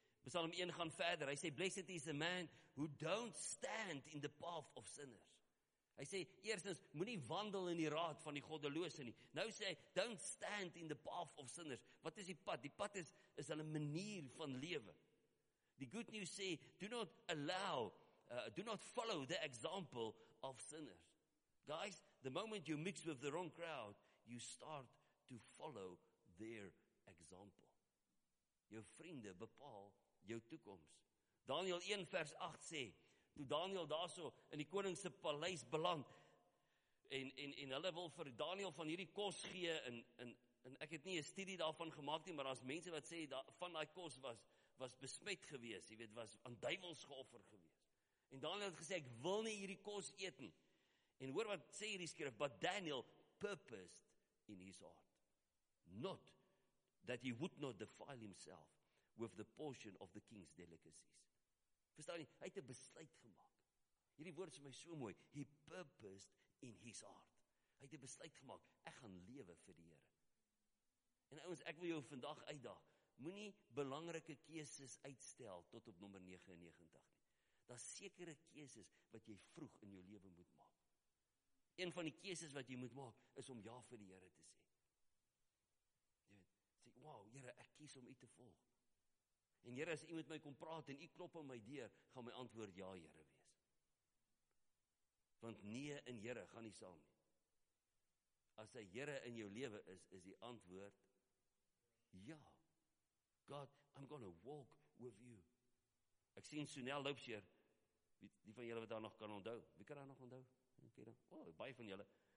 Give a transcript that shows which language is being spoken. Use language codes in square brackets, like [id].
[af] Psalm 1 gaan verder, hy sê, [en] blessed is a man who don't stand in the path of sinners. [af] Hy sê, eerstens, moet nie wandel in die raad van die goddelose nie. Nou sê hy, [en] don't stand in the path of sinners. [af] Wat is die pad? Die pad is hulle manier van lewe. Die good news sê, [en] do not follow the example of sinners. Guys, the moment you mix with the wrong crowd, you start to follow their example. [af] Jou vriende bepaal jou toekoms. Daniel 1 vers 8 sê, toe Daniel daar so in die koningse paleis beland, en hulle wil vir Daniel van hierdie kos gee, en ek het nie 'n studie daarvan gemaak nie, maar daar is mense wat sê, van die kos was besmet gewees, jy weet, was aan duiwels geoffer gewees. En Daniel het gesê, ek wil nie hierdie kos eet nie. En hoor wat sê hierdie skrif, [en] but Daniel purposed in his heart, not that he would not defile himself with the portion of the king's delicacies. [af] Verstaan jy? Hy het 'n besluit gemaak. Hierdie woord is my so mooi. [en] He purposed in his heart. [af] Hy het 'n besluit gemaak. Ek gaan lewe vir die Here. En ouens, ek wil jou vandag uitdaag. Moenie belangrike keuses uitstel tot op nommer 99 nie. Daar's sekere keuses wat jy vroeg in jou lewe moet maak. Een van die keuses wat jy moet maak is om ja vir die Here te sê. Jy weet, sê, "Wow, Here, ek kies om U te volg." En Here, as U met my kom praat en U klop aan my deur, gaan my antwoord ja, Here wees. Want nee in Here gaan nie saam nie. As hy Here in jou lewe is, is die antwoord ja. [en] God, I'm going to walk with you. [af] Ek sien Sonel Loupsheer, die van julle wat daar nog kan onthou. Wie kan daar nog onthou? Okay dan. Oh, baie van julle.